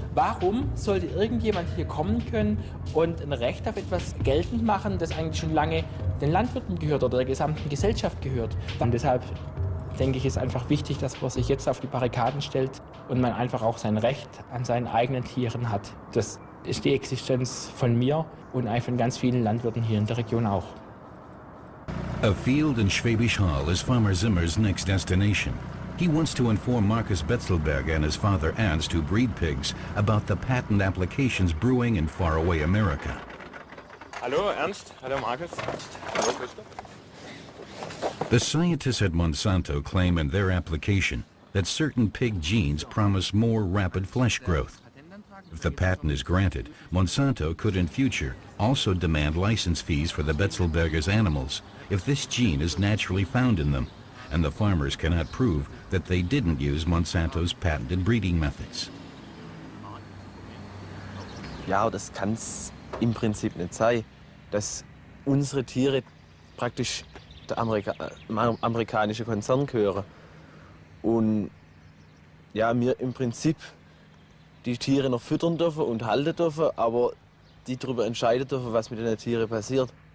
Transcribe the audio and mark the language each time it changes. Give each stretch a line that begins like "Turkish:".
German: Warum sollte irgendjemand hier kommen können und ein Recht auf etwas geltend machen, das eigentlich schon lange den Landwirten gehört oder der gesamten Gesellschaft gehört? Und deshalb denke ich, ist einfach wichtig, dass man sich jetzt auf die Barrikaden stellt und man einfach auch sein Recht an seinen eigenen Tieren hat. Das ist die Existenz von mir und von ganz vielen Landwirten hier in der Region auch.
English: A field in Schwäbisch Hall is Farmer Zimmer's next destination. He wants to inform Marcus Betzelberg and his father Ernst, who breed pigs, about the patent applications brewing in faraway America.
German: Hallo Ernst, hallo Marcus. Hallo Christoph.
English: The scientists at Monsanto claim in their application that certain pig genes promise more rapid flesh growth. If the patent is granted, Monsanto could in future also demand license fees for the Betzelberger's animals if this gene is naturally found in them, and the farmers cannot prove that they didn't use Monsanto's patented breeding methods.
German: Ja, das kann's im Prinzip nicht sein, dass unsere Tiere praktisch der amerikanische Konzern gehören. Und ja, wir im Prinzip die Tiere noch füttern dürfen und halten dürfen, aber die darüber entscheiden dürfen, was mit den Tieren passiert.